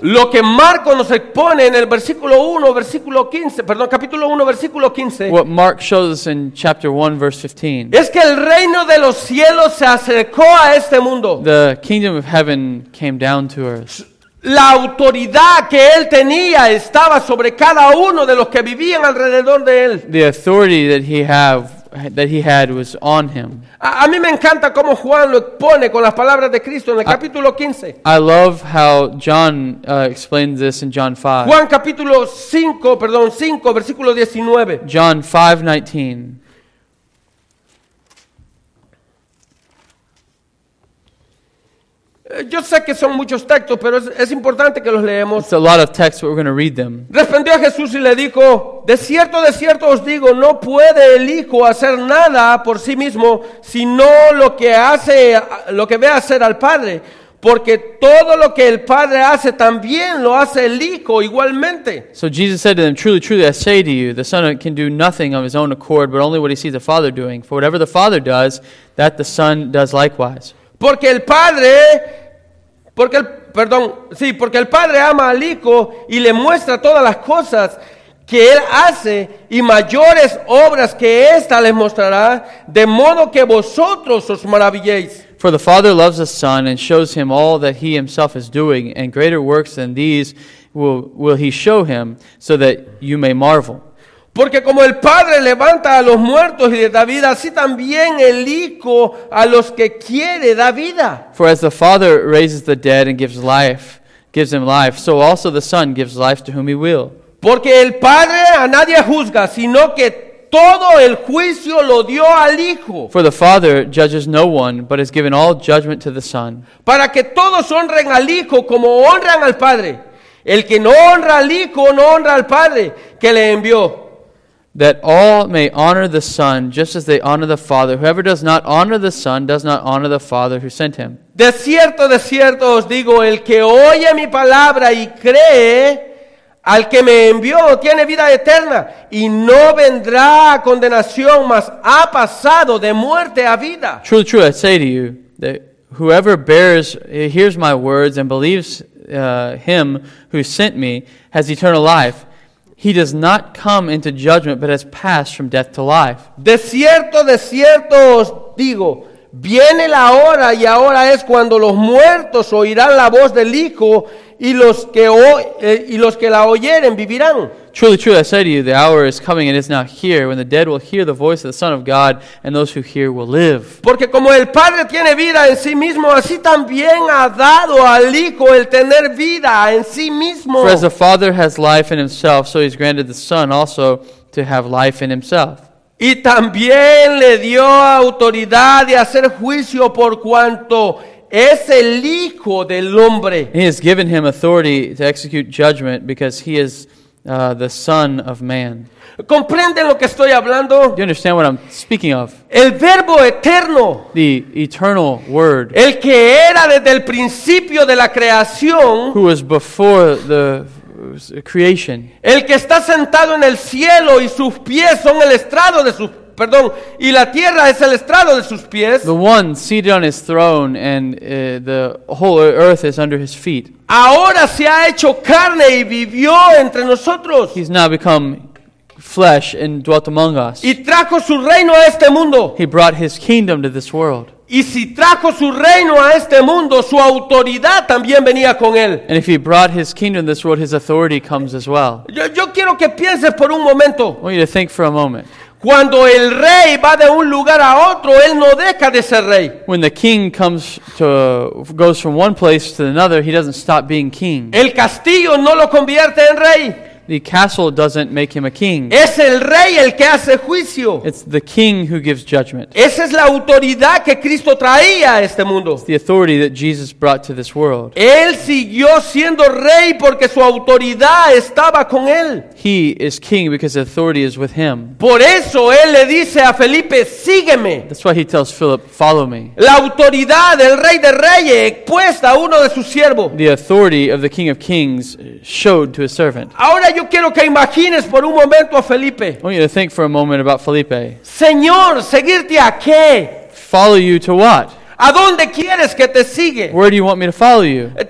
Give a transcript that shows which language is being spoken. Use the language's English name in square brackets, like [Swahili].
[Spanish] Lo que Marco nos expone en el capítulo 1, versículo 15. [English] What Mark shows us in chapter 1, verse 15. [Spanish] Es que el reino de los cielos se acercó a este mundo. [English] The kingdom of heaven came down to earth. [Spanish] La autoridad que él tenía estaba sobre cada uno de los que vivían alrededor de él. [English] The authority that he had was on him. [Spanish] A mí me encanta cómo Juan lo expone con las palabras de Cristo en el capítulo 15. [English] I love how John explains this in John 5. [Spanish] Juan capítulo 5, perdón, 5, versículo 19. [English] John 5:19. [Spanish] Yo sé que son muchos textos, pero es importante que los leemos. [English] It's a lot of text, but we're going to read them. [Spanish] Respondió Jesús y le dijo, de cierto os digo, no puede el Hijo hacer nada por sí mismo, sino lo que ve hacer al Padre. Porque todo lo que el Padre hace, también lo hace el Hijo igualmente. [English] So Jesus said to them, truly, truly, I say to you, the Son can do nothing of his own accord, but only what he sees the Father doing. For whatever the Father does, that the Son does likewise. [Spanish] Porque el Padre ama al Hijo y le muestra todas las cosas que Él hace y mayores obras que ésta les mostrará, de modo que vosotros os maravilléis. [English] For the Father loves the Son and shows him all that he himself is doing, and greater works than these will he show him, so that you may marvel. [Spanish] Porque como el Padre levanta a los muertos y le da vida, así también el Hijo a los que quiere da vida. [English] For as the Father raises the dead and gives him life, so also the Son gives life to whom he will. [Spanish] Porque el Padre a nadie juzga, sino que todo el juicio lo dio al Hijo. [English] For the Father judges no one, but has given all judgment to the Son. [Spanish] Para que todos honren al Hijo como honran al Padre. El que no honra al Hijo no honra al Padre que le envió. [English] That all may honor the Son just as they honor the Father. Whoever does not honor the Son does not honor the Father who sent him. [Spanish] De cierto os digo, el que oye mi palabra y cree al que me envió tiene vida eterna y no vendrá a condenación, mas ha pasado de muerte a vida. [English] True, true, I say to you that whoever hears my words and believes him who sent me has eternal life. He does not come into judgment, but has passed from death to life. [Spanish] De cierto os digo, viene la hora y ahora es cuando los muertos oirán la voz del Hijo y los que la oyeren vivirán. [English] Truly, truly, I say to you, the hour is coming and is now here when the dead will hear the voice of the Son of God and those who hear will live. [Spanish] Porque como el Padre tiene vida en sí mismo, así también ha dado al Hijo el tener vida en sí mismo. [English] For as the Father has life in himself, so he's granted the Son also to have life in himself. [Spanish] Y también le dio autoridad de hacer juicio por cuanto es el Hijo del Hombre. [English] He has given him authority to execute judgment because he is the Son of Man. [Spanish] ¿Comprenden lo que estoy hablando? [English] Do you understand what I'm speaking of? [Spanish] El Verbo eterno. [English] The eternal Word. [Spanish] El que era desde el principio de la creación. [English] Who was before the creation. [Spanish] El que está sentado en el cielo y sus pies son el estrado de sus pies. Perdón, y la tierra es el estrado de sus pies. [English] The one seated on his throne and the whole earth is under his feet. [Spanish] Ahora se ha hecho carne y vivió entre nosotros. [English] He's now become flesh and dwelt among us. [Spanish] Y trajo su reino a este mundo. [English] He brought his kingdom to this world. [Spanish] Y si trajo su reino a este mundo, su autoridad también venía con él. [English] And if he brought his kingdom to this world, his authority comes as well. [Spanish] Yo quiero que pienses por un momento. [English] I want you to think for a moment. [Spanish] Cuando el rey va de un lugar a otro, él no deja de ser rey. [English] When the king goes from one place to another, he doesn't stop being king. [Spanish] El castillo no lo convierte en rey. [English] The castle doesn't make him a king. [Spanish] Es el rey el que hace juicio. [English] It's the king who gives judgment. [Spanish] Esa es la autoridad que Cristo traía a este mundo. [English] It's the authority that Jesus brought to this world. [Spanish] Él siguió siendo rey porque su autoridad estaba con él. [English] He is king because the authority is with him. [Spanish] Por eso él le dice a Felipe, sígueme. [English] That's why he tells Philip, follow me. [Spanish] La autoridad del rey de reyes expuesta a uno de sus siervos. [English] The authority of the king of kings showed to a servant. [Spanish] Ahora yo quiero que imagines por un momento a Felipe. [English] I want you to think for a moment about Felipe. [Spanish] Señor, ¿seguirte a qué? [English] Follow you to what? [Spanish] ¿A dónde quieres que te siga? [English] Where do you want me to follow you?